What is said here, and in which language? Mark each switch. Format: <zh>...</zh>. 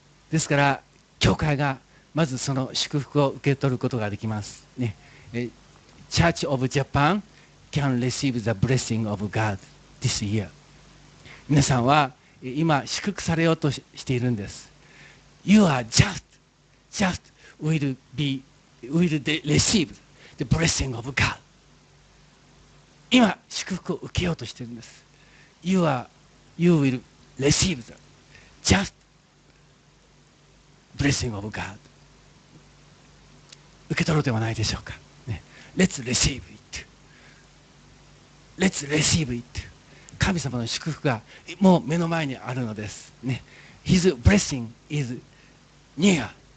<ja>ですから教会がまずその祝福を受け取ることができます、ね、</ja> <en>Church of Japan can receive the blessing of God this year.</en> <ja>皆さんは今祝福されようとしているんです。</ja> <en>You are just will receive the blessing of God.</en> <ja>今祝福を受けようとしているんです。</ja> <en>You will receive the just blessing of God.</en> <ja>受け取ろうではないでしょうか、</ja> <en>ね、Let's receive it. Let's receive it.</en> <ja>神様の祝福がもう目の前にあるのです、ね、</ja> <en>His blessing is near.</en>